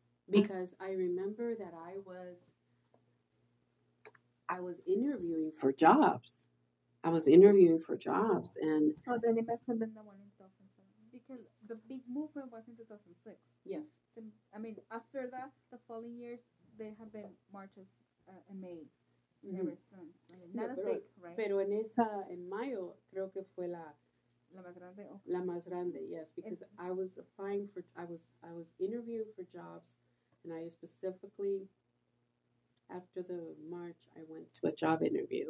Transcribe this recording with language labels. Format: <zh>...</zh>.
<en>Because I remember that I was interviewing for jobs. I was interviewing for jobs. And oh, then it must have been the one in 2007. Because the big movement was in 2006. Yeah. I mean, after that, the following years, there have been marches in May. Mm-hmm. Ever since. Not as big, right?</en> <es>Pero en esa, en mayo, creo que fue la... La más grande.</es> <en>Okay.</en> <es>La más grande,</es> <en>yes. Because I was applying for... I was interviewing for jobs, and I specifically, after the march, I went to a job interview.</en>